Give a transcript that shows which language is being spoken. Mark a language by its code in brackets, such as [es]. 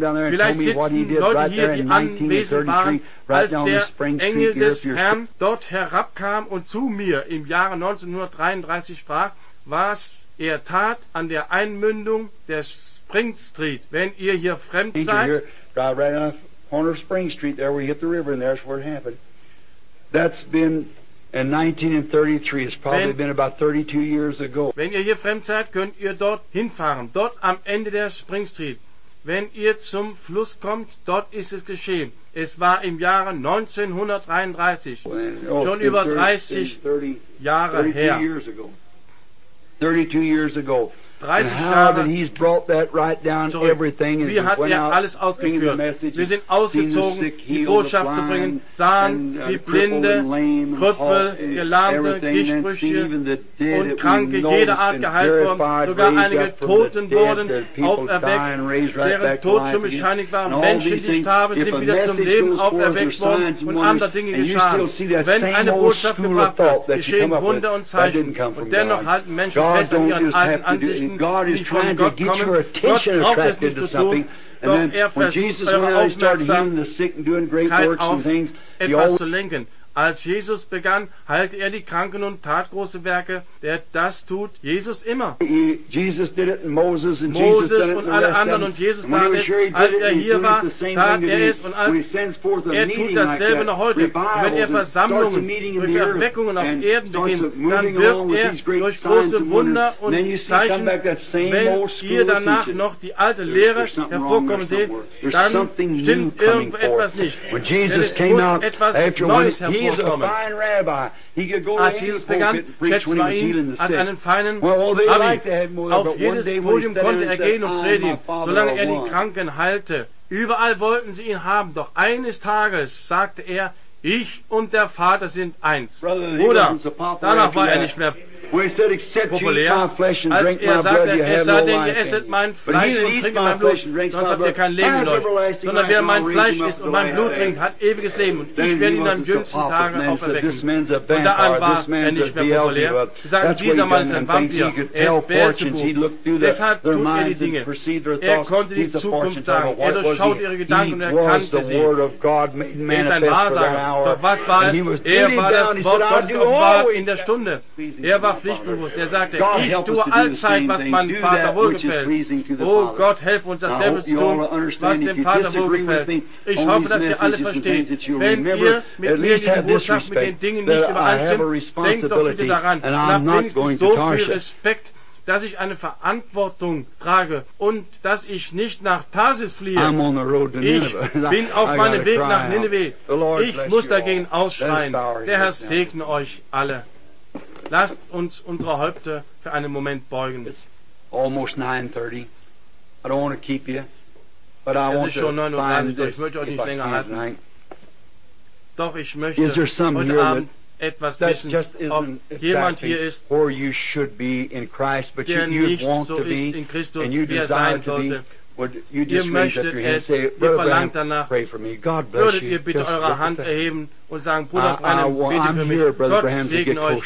[de] Vielleicht sitzen Leute hier, die anwesend waren, als der Engel des Herrn dort herabkam und zu mir im Jahre 1933 sprach, was er tat an der Einmündung des Spring Street, wenn ihr hier fremd seid. [en] Right on the corner of Spring Street, there we hit the river, and that's where it happened. That's been in 1933. It's probably been about 32 years ago. [de] Wenn ihr hier fremd seid, könnt ihr dort hinfahren. Dort am Ende der Spring Street. Wenn ihr zum Fluss kommt, dort ist es geschehen. Es war im Jahre 1933. Schon über 30 Jahre her. [en] 32 years ago. [de] Wie hat er alles ausgeführt? Wir sind ausgezogen, die Botschaft zu bringen, sahen die Blinde, Krüppel, Gelahmte, Gichtbrüchige und Kranke jeder Art geheilt worden, sogar einige Toten wurden auferweckt, deren Tod schon bescheinigt war. Menschen, die starben, sind wieder zum Leben auferweckt worden und andere Dinge geschahen. Wenn eine Botschaft gebracht wird, geschehen Wunder und Zeichen, und dennoch halten Menschen fest an ihren alten Ansichten. [en] God is trying to get your attention attracted to something. And then when Jesus went out, he started healing the sick and doing great works and things. [de] Als Jesus begann, heilte er die Kranken und tat große Werke. Der das tut Jesus immer. [en] Jesus did it, Moses and [de] Moses und alle anderen und Jesus tat es. Als er hier war, tat er es und als er tut dasselbe noch heute. Wenn er Versammlungen durch Erweckungen auf Erden beginnt, dann wirkt er durch große Wunder und Zeichen. Wenn ihr danach noch die alte Lehre hervorkommen seht, dann stimmt irgendetwas nicht. Denn es muss etwas Neues herum. [en] He's a fine rabbi. He could go [de] als Jesus begann, schätzte man ihn als einen feinen Rabbi. Auf jedes Podium konnte er gehen und predigen, solange er die Kranken heilte. Überall wollten sie ihn haben, doch eines Tages sagte er, ich und der Vater sind eins. Bruder, danach war er nicht mehr [en] When he said, "Except you eat my flesh and drink my blood, you have no life." [de] Er sagte, denn ihr esset mein Fleisch und trinkt mein Blut, sonst habt ihr kein Leben in euch. Sondern wer mein Fleisch isst und mein Blut trinkt, hat ewiges Leben. Und ich werde ihn am jüngsten Tage auferwecken. Und da war er nicht mehr populär. Sie sagten, dieser Mann ist ein Vampir. Er ist Beelzebub. Deshalb tut er die Dinge. Er konnte die Zukunft sagen. Er durchschaut ihre Gedanken und erkannte sie. Er ist ein Wahrsager. Doch was war es? Er war das Wort Gottes offenbart in der Stunde. Er war pflichtbewusst. Er sagte, ich tue allzeit, was meinem Vater wohlgefällt. Oh Gott, helf uns, dasselbe zu tun, was dem Vater wohlgefällt. Ich hoffe, dass ihr alle versteht. Wenn ihr mit mir die Botschaft mit den Dingen nicht übereinstimmt, denkt doch bitte daran. Und habt wenigstens so viel Respekt, dass ich eine Verantwortung trage und dass ich nicht nach Tarsis fliehe. Ich bin auf meinem Weg nach Nineveh. Ich muss dagegen ausschreien. Der Herr segne euch alle. Lasst uns unsere Häupter für einen Moment beugen. [en] It's almost 9:30. I don't want to keep you, but I want to find this. [de] Ich möchte euch nicht länger halten. Doch ich möchte heute Abend etwas wissen, ob jemand hier ist, der nicht so ist in Christus, wie er sein sollte. Ihr möchtet es, ihr verlangt danach. Würdet ihr bitte eure Hand erheben und sagen, Bruder Branham, bete für mich. Gott segne euch.